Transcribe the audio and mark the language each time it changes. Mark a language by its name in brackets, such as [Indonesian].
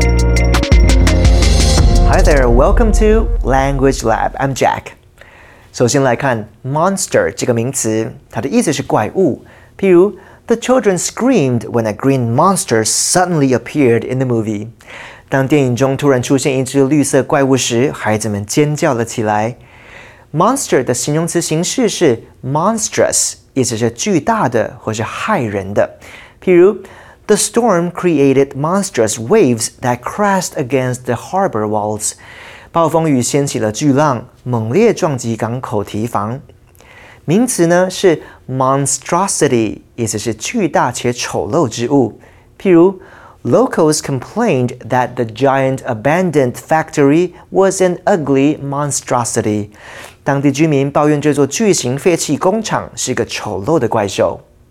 [English] Hi there, welcome to Language Lab. I'm Jack. [Chinese] 首先来看 monster 这个名词，它的意思是怪物。譬如 [English] ，The children screamed when a green monster suddenly appeared in the movie。 [Chinese] 当电影中突然出现一只绿色怪物时，孩子们尖叫了起来。 monster 的形容词形式是 monstrous， 意思是巨大的或是骇人的。譬如 [English] ，The storm created monstrous waves that crashed against the harbor walls。 [Chinese] 暴风雨掀起了巨浪，猛烈撞击港口堤防。名词呢是 monstrosity， 意思是巨大且丑陋之物。譬如 [English] ，locals complained that the giant abandoned factory was an ugly monstrosity。 [Chinese] 当地居民抱怨这座巨型废弃工厂是个丑陋的怪兽。